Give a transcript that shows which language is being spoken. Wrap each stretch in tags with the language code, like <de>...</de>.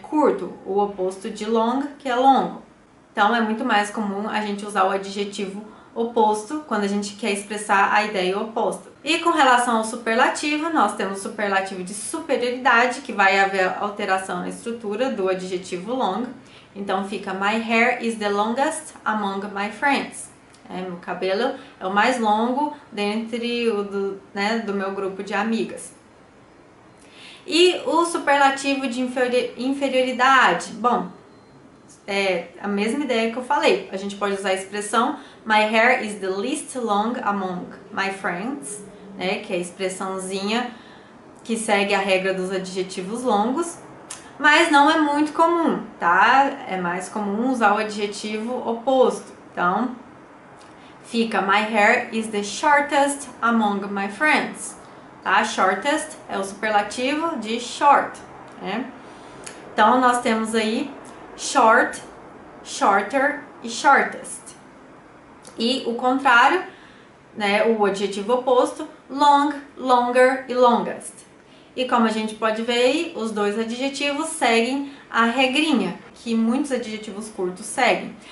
<pt>Curto, o oposto de long, que é longo. Então é muito mais comum a gente usar o adjetivo oposto quando a gente quer expressar a ideia oposta. E com relação ao superlativo, nós temos o superlativo de superioridade, que vai haver alteração na estrutura do adjetivo long. Então fica</pt> <en>my hair is the longest among my friends.</en> <pt>É, meu cabelo é o mais longo dentre do meu grupo de amigas. E o superlativo de inferioridade? Bom, é a mesma ideia que eu falei. A gente pode usar a expressão</pt> <en>my hair is the least long among my friends,</en> <pt>né, que é a expressãozinha que segue a regra dos adjetivos longos. Mas não é muito comum, tá? É mais comum usar o adjetivo oposto. Então, fica</pt> <en>my hair is the shortest among my friends.</en> <pt>Tá? Shortest é o superlativo de short, né? Então nós temos aí short, shorter e shortest. E o contrário, né, o adjetivo oposto, long, longer e longest. E como a gente pode ver aí, os dois adjetivos seguem a regrinha que muitos adjetivos curtos seguem.</pt>